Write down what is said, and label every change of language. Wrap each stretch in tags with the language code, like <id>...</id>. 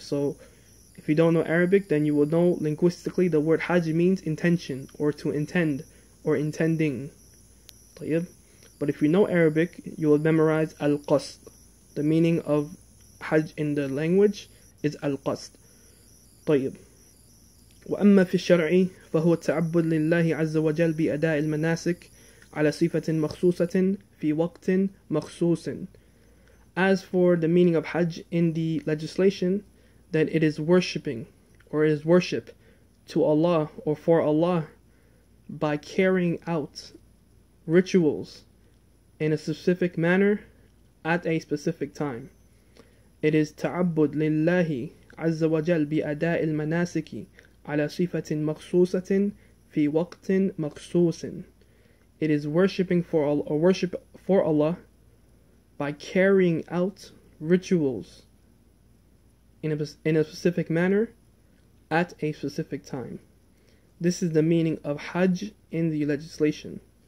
<en>So if you don't know Arabic, then you will know linguistically the word Hajj means intention, or to intend, or intending.</en> <ar>طيب.</ar> <en>But if you know Arabic, you will memorize Al-Qasd. The meaning of Hajj in the language is Al-Qasd.</en> <ar>طيب. وأما في الشرع فهو التعبد لله عز وجل بأداء المناسك على صفة مخصوصة في وقت مخصوص.</ar> <en>As for the meaning of Hajj in the legislation, then it is worshipping, or it is worship to Allah or for Allah by carrying out rituals in a specific manner at a specific time. It is</en> <ar>تعبد لله عز وجل بأداء المناسك على صفة مخصوصة في وقت مخصوص.</ar> <en>It is worshipping for Allah, or worship for Allah, by carrying out rituals in a specific manner at a specific time. This is the meaning of Hajj in the legislation.</en>